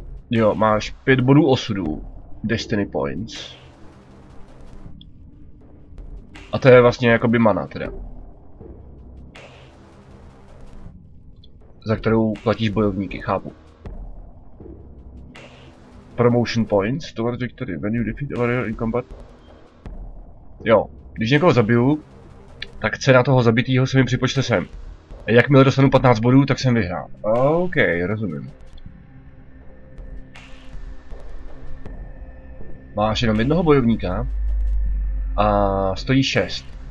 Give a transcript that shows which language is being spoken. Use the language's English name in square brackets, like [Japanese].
[Czech] Jo, máš 5 bodů osudu. Destiny points. A to je vlastně jakoby mana teda. Za kterou platíš bojovníky, chápu. [English] Promotion points, towards victory, when you defeat a warrior in combat. [Czech] Jo. Když někoho zabiju, tak cena toho zabitého se mi připočte sem. Jakmile dostanu 15 bodů, tak jsem vyhrál. OK, rozumím. Máš jenom jednoho bojovníka a stojí 6.